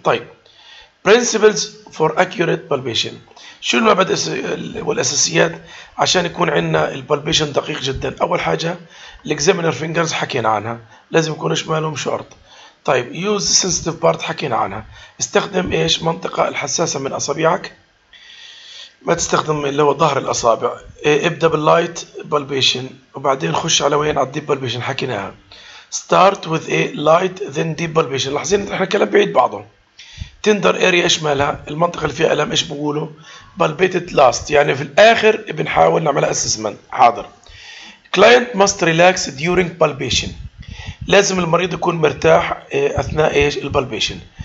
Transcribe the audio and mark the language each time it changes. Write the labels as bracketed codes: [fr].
[ar] طيب، [en] principles for accurate palpation، [ar] شو المبادئ والأساسيات عشان يكون عندنا البالبيشن دقيق جدا؟ أول حاجة الإكزامينر فينجرز حكينا عنها، لازم يكون شمالهم شورت. طيب، يوز سنسيتيف بارت حكينا عنها، استخدم إيش؟ منطقة الحساسة من أصابعك، ما تستخدم اللي هو ظهر الأصابع. ابدأ باللايت بالبيشن وبعدين خش على وين؟ على الديب بالبيشن حكيناها. [en] start with a light then deep بالبيشن. [ar] لاحظين إحنا كلام بعيد بعضه. [en] tender area [ar] إيش مالها؟ المنطقة اللي فيها ألم إيش بقوله؟ [en] palpated last، [ar] يعني في الآخر بنحاول نعملها assessment. حاضر. [en] client must relax during palpation، [ar] لازم المريض يكون مرتاح أثناء إيش؟ البالبيشن.